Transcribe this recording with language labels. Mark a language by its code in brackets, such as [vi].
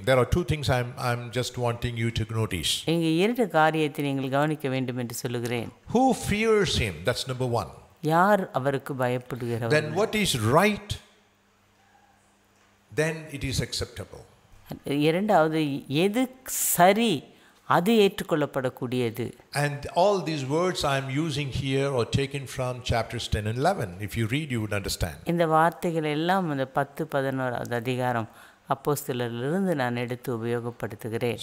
[en] There are two things I'm just wanting you to notice. [ta] இங்க இரண்டு காரியத்தை நீங்கள் கவனிக்க வேண்டும் என்று சொல்கிறேன். [en] Who fears Him? That's number one. [ta] யார் அவருக்கு பயப்படுகிறவர்? [en] Then what is right? Then it is acceptable. [ta] இரண்டாவது எது சரி அது ஏற்றுக்கொள்ளப்படக்கூடியது. [en] And all these words I'm using here are taken from chapters 10 and 11. If you read, you would understand. [ta] இந்த வார்த்தைகள் எல்லாம் அந்த 10 11 அதிகாரம் அப்போஸ்தலரிலிருந்து நான் எடுத்து உபயோகப்படுத்துகிறேன்.